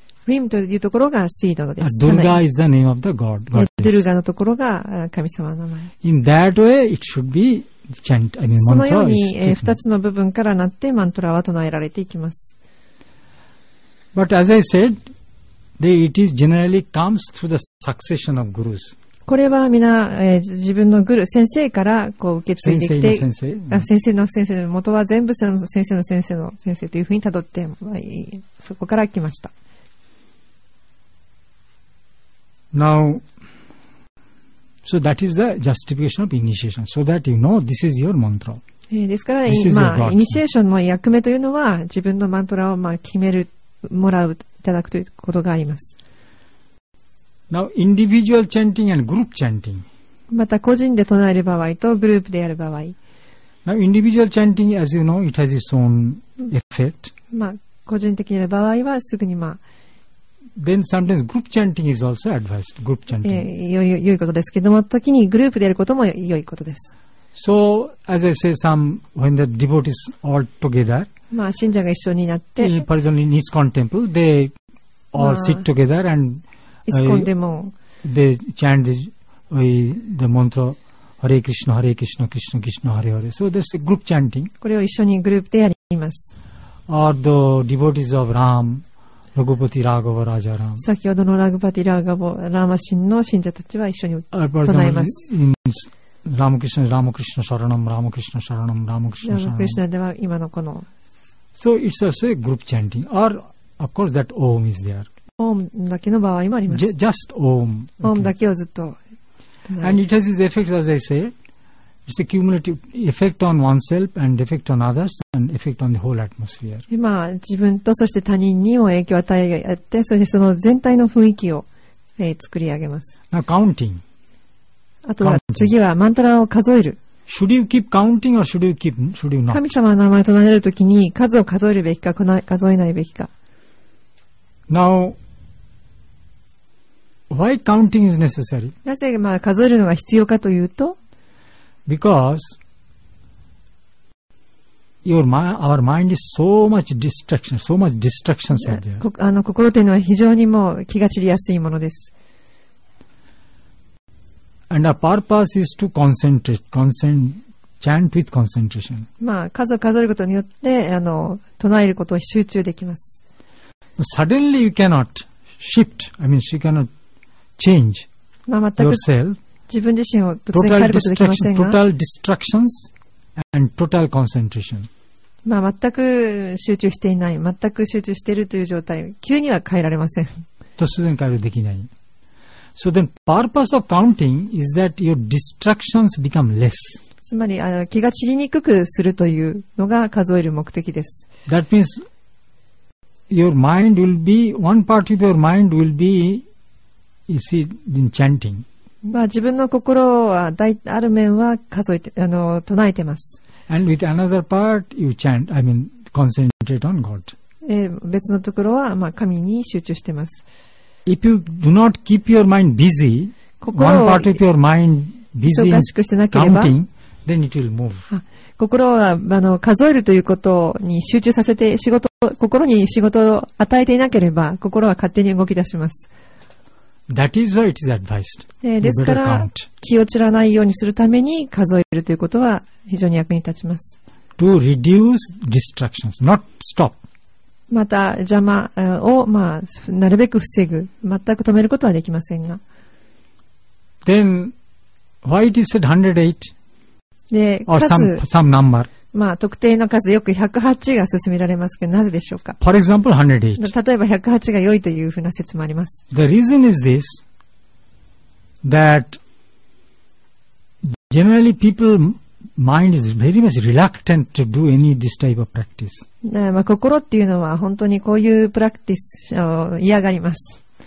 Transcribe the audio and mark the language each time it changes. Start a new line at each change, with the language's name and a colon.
Japanese: リムというところがシードのです。
English: ドルガ is the name of the god.
Japanese: ドルガのところが神様の名前。
English: In that way, it should be chant. I mean,
Japanese: そのように二つの部分からなってマントラは唱えられていきます。
English: But as I said, they, it is generally comes through the succession of gurus.
Japanese: これは皆、自分のグル先生からこう受け継いできて、先生の先生、うん、先生の先生の元は全部その先生の先生の先生というふうにたどって、まあ、そこから来ました。
English: Now, so that is the justification of initiation. So that you know this is your mantra.
Japanese: ですから、まあ、イニシエーションの役目というのは、自分のマントラを、まあ、決める、もらう、いただくということがあります。
English: Now, individual chanting and group chanting.
Japanese: また、個人で唱える場合と、グループでやる場合。
English: Now, individual chanting, as you know, it has its own effect.
Japanese: まあ、個人的にやる場合は、すぐにまあ、
English: Then sometimes group chanting is also advised. Group chanting.
Japanese: よいことですけども、時にグループでやることも良いことです。
English: So, as I say, when the devotees all together,
Japanese: まあ、信者が一緒になって、
English: for example, in ISKCON temple, they all sit together and,
Japanese: ISKCON でも、
English: they chant the mantra, Hare Krishna, Hare Krishna, Krishna Krishna, Hare Hare. So, there's a group chanting.
Japanese: これを一緒にグループでやります。
English: Or the devotees of Ram,ラグパティラガバラジャラム。
Japanese: 先ほどのラグパティラガバラマシンの信者たちは一緒に唱えます。
Sanskrit: ラムクリシナ、ラムクリシナシャラナム、ラムクリシナシャラナム、ラムクリシナシャラナム。
Japanese: ラムクリシナでは今のこの。
English: So it's just a group chanting. Or of course that Om is there.
Japanese: Om だけの場合もあります。
English: Just Om.
Japanese: Om、okay. だけをずっと。
English: And it has its effects as I say. It's a cumulative effect on oneself and effect on others. Effect on the whole atmosphere.
Japanese: 今自分とそして他人にも影響を与えあって、そしてその全体の雰囲気を、作り上げます。
English: Now counting.
Japanese: あとは次はマントラを数える。
English: Should you keep counting or should you keep should you not?
Japanese: 神様の名前を唱えるときに数を数えるべきか数えないべきか。
English: Now, why counting is necessary?
Japanese: なぜまあ数えるのが必要かというと、
English: Because. Your mind, our mind is so much distraction. So much distractions are there.
Japanese: あの心というのは非常にもう気が散りやすいものです。
English: And our purpose is to concentrate, chant with concentration.
Japanese: まあ数を数えることによってあの唱えることを集中できます。
English: Suddenly you cannot shift. I mean, you cannot change yourself.
Japanese: 自分自身を突然変えることができませんが。
English: Total distractions. And total concentration.
Japanese: まあ全く集中していない、全く集中しているという状態、急には変えられません。突然変えるできない。
English: So then, purpose of counting is that your distractions become less.
Japanese: つまり、気が散りにくくするというのが数える目的です。
English: That means your mind will be, one part of your mind will be, you see, in chanting.
Japanese: まあ、自分の心はある面は数えて、唱えてます。
English: And with another part, you chant, I mean, concentrate on God.
Japanese: 別のところは、まあ、神に集中してます。
English: If you do not keep your mind busy, one part of your mind busy counting, then it will move.
Japanese: 心は数えるということに集中させて、心に仕事を与えていなければ、心は勝手に動き出します。
English: That is why it is advised.
Japanese: ですから気を散らないようにするために数えるということは非常に役に立ちます。
English: To reduce distractions, not stop.
Japanese: また邪魔を、まあ、なるべく防ぐ、全く止めることはできませんが。
English: Then, why it is said 108? Or some number?
Japanese: まあ、特定の数、よく108が勧められますけど、なぜでしょうか。
English: For example, 108.
Japanese: 例えば108が良いというふうな説もあります。
English: The reason is this, that generally people's mind is very much reluctant to do any this type of practice.
Japanese: まあ、心っていうのは本当にこういうプラクティスを嫌がります。